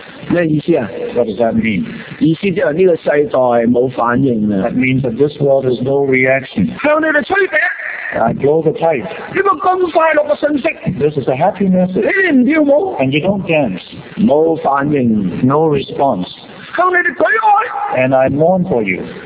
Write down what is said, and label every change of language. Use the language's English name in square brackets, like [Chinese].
[Cantonese] 咩意思啊 [English] ？What does that mean? [Cantonese] 意思就系呢个世代冇反应啦。 [English] That means that this world has no reaction. [Cantonese] 向你哋吹笛。 [English] I blow the pipe. [Cantonese] 呢个咁快乐嘅信息。 [English] This is a happy message. [Cantonese] 你哋唔跳舞。 [English] And you don't dance. [Cantonese] 冇反应。 [English] No response. [Cantonese] 向你哋举哀。 [English] And I mourn for you.